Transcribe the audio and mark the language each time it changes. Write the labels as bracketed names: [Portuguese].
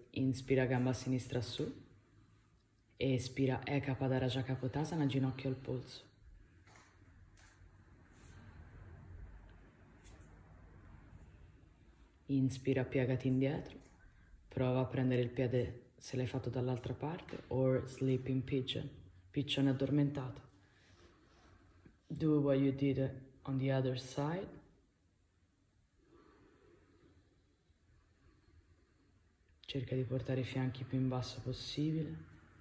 [Italian] Inspira, gamba sinistra su. Espira, Ekapadaraja Kapotasana, ginocchio al polso. Inspira, piegati indietro. Prova a prendere il piede se l'hai fatto dall'altra parte, [English] or sleeping pigeon, [Italian] piccione addormentato. [English] Do what you did on the other side. [Italian] Cerca di portare i fianchi più in basso possibile.